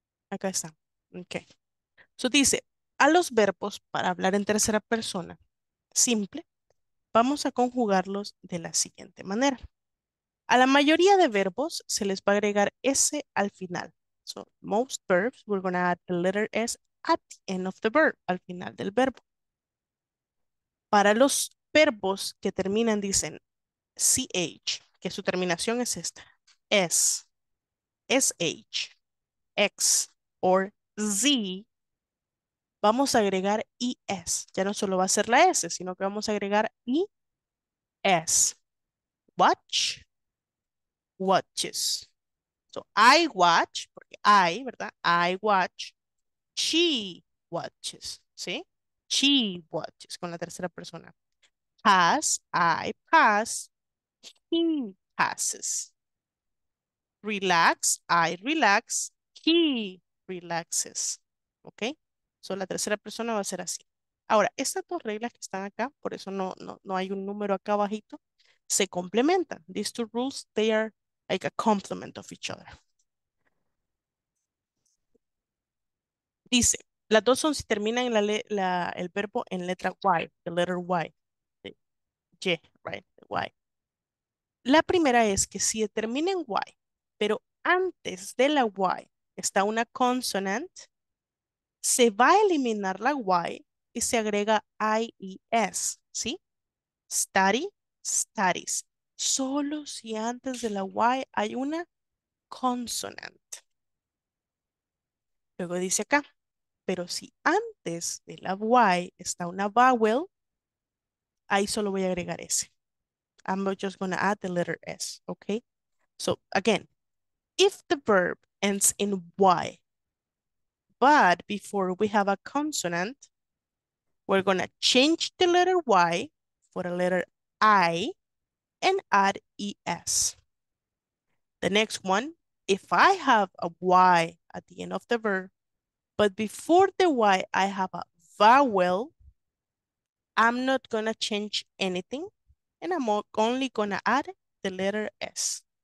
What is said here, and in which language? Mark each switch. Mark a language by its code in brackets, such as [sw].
[es] Acá está. Ok. So dice, a los verbos para hablar en tercera persona, simple, vamos a conjugarlos de la siguiente manera. A la mayoría de verbos se les va a agregar S al final. [en] So, most verbs, we're going to add the letter S at the end of the verb, [es] al final del verbo. Para los verbos que terminan, dicen CH, que su terminación es esta, S, SH, X, or Z, vamos a agregar ES. Ya no solo va a ser la S, sino que vamos a agregar ES. [en] Watch, watches. So, I watch, [es] porque [en] I, ¿verdad? I watch. She watches, ¿sí? She watches [es] con la tercera persona. [en] Pass, I pass. He passes. Relax, I relax. He relaxes. ¿Ok? [es] So, la tercera persona va a ser así. Ahora, estas dos reglas que están acá, por eso no hay un número acá bajito, se complementan. [en] These two rules, they are like a complement of each other. [es] Dice, las dos son si terminan el verbo en letra Y, [en] the letter Y. Y, right, the Y. [es] La primera es que si termina en Y, pero antes de la Y está una consonant, se va a eliminar la Y y se agrega IES, ¿sí? Study, studies. Solo si antes de la Y hay una consonante. Luego dice acá, pero si antes de la Y está una vowel, ahí solo voy a agregar S. [en] I'm just going to add the letter S, ¿ok? So, again, if the verb ends in Y, but before we have a consonant, we're going to change the letter Y for a letter I. And add ES. The next one, if I have a Y at the end of the verb, but before the Y I have a vowel, I'm not gonna change anything, and I'm only gonna add the letter S.